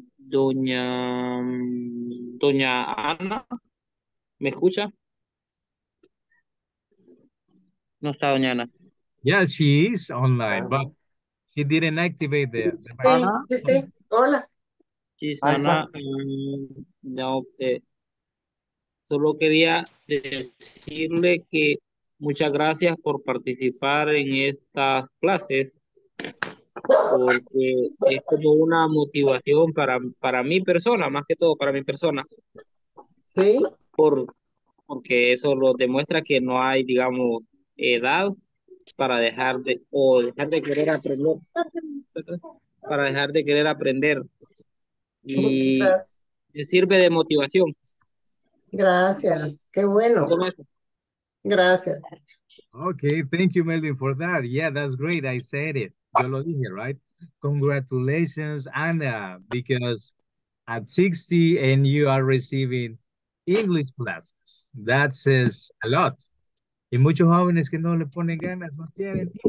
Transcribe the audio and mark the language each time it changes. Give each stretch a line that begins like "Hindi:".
Spanish: Doña Ana, ¿me escucha? No está Doña Ana.
English: Yeah, she is online, but she didn't activate the.
Spanish: Hola.
English: She's Ana.
Spanish: No, solo quería decirle que muchas gracias por participar en estas clases, porque es como una motivación para mi persona, más que todo para mi persona. Sí. Porque eso lo demuestra que no hay, digamos, edad para dejar de, o dejar de querer aprender, para dejar de querer aprender. Y me sirve de motivación. Gracias, qué bueno. Gracias.
English: Okay, thank you, Melvin, for that. Yeah, that's great. I said it.
Spanish: Yo lo dije,
English: right? Congratulations, Anna, because at 60 and you are receiving English classes. That says a lot.
Spanish: Y muchos jóvenes que no le ponen ganas, no quieren.